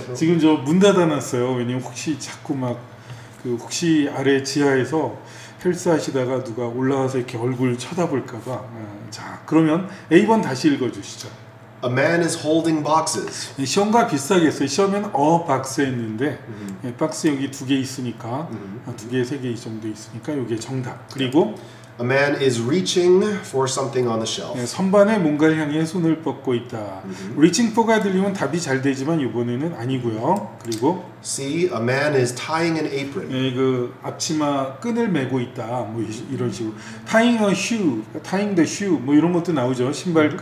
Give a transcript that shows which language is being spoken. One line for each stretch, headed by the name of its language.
Korean: 지금 저 문 닫아놨어요. 왜냐면 혹시 자꾸 막 그 혹시 아래 지하에서 헬스 하시다가 누가 올라와서 이렇게 얼굴 쳐다볼까 봐. 자, 그러면 A번 다시 읽어주시죠.
English: A man is holding boxes.
Korean: 시험과 비슷하겠어요. 시험은 박스 했는데 박스 여기 두 개 있으니까 두 개 세 개 이 정도 있으니까 이게 정답. 그리고
English: A man is reaching for something on the shelf.
Korean: 네, 선반에 뭔가를 향해 손을 뻗고 있다. Mm-hmm. Reaching for가 들리면 답이 잘 되지만 이번에는 아니고요. 그리고
English: See, a man is tying an apron.
Korean: 네, 그 앞치마 끈을 메고 있다. 뭐 이런 식으로
English: tying a shoe, tying the shoe
Korean: 뭐 이런 것도 나오죠. 신발 mm-hmm.